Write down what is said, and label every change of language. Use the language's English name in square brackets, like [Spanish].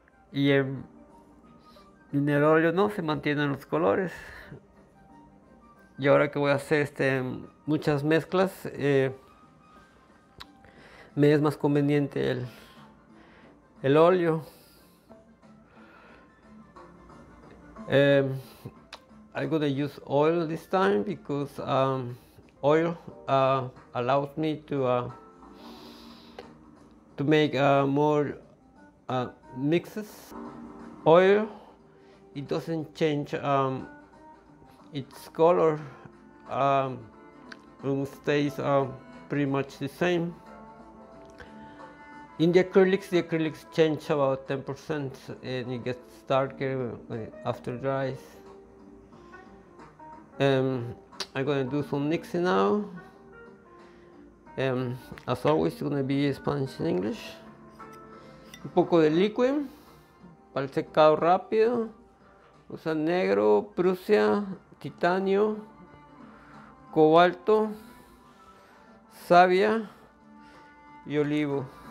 [Spanish] Y en el óleo no se mantienen los colores. Y ahora que voy a hacer muchas mezclas, me es más conveniente el óleo. [English] I'm gonna use oil this time because oil allows me to make more mixes. Oil, it doesn't change its color. It stays pretty much the same. In the acrylics change about 10% and it gets darker after it dries. I'm gonna do some mixing now. As always, it's gonna be Spanish and English. [Spanish] Un poco de liquid para el secado rápido. Usa negro, prusia, titanio, cobalto, savia y olivo.